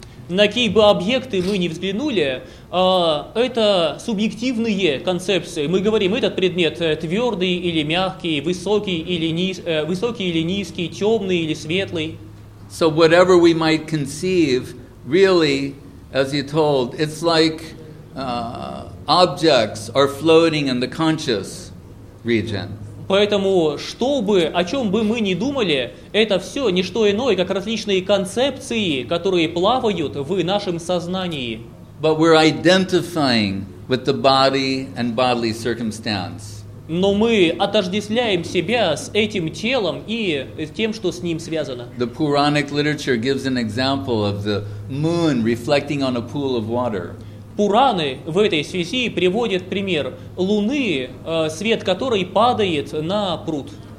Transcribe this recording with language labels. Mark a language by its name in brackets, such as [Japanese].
[Russian] На какие бы объекты мы ни взглянули, это субъективные концепции. Мы говорим, этот предмет твердый или мягкий, высокий или низкий, темный или светлый. [English] So whatever we might conceive, really, as you told, it's like objects are floating in the conscious region. [Russian] Поэтому, что бы, о чем бы мы ни думали, это все не что иное, как различные концепции, которые плавают в нашем сознании. [English] But we're identifying with the body and bodily circumstance. [Russian] Но мы отождествляем себя с этим телом и тем, что с ним связано. [English] The Puranic literature gives an example of the moon reflecting on a pool of water. [Russian] Пураны в этой связи приводят пример луны, свет которой падает на пруд.